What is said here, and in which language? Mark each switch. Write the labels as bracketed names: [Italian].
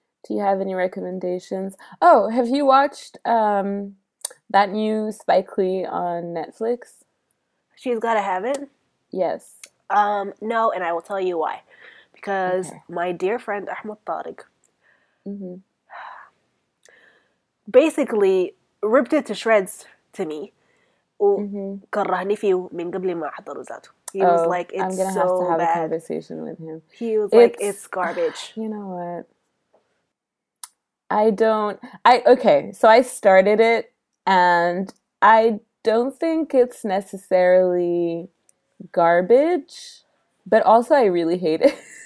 [English] Do you have any recommendations? Oh, have you watched that new Spike Lee on Netflix? She's Gotta Have It? Yes. No, and I will tell you why. Because my dear friend Ahmed Tariq basically ripped it to shreds to me. [Arabic] وكرهني فيه من قبل ما أحضر ذاته. [English] He was like, it's so bad. I'm going to have to have a conversation with him. He was like, it's garbage. You know what? Okay, so I started it and I don't think it's necessarily garbage, but also I really hate it.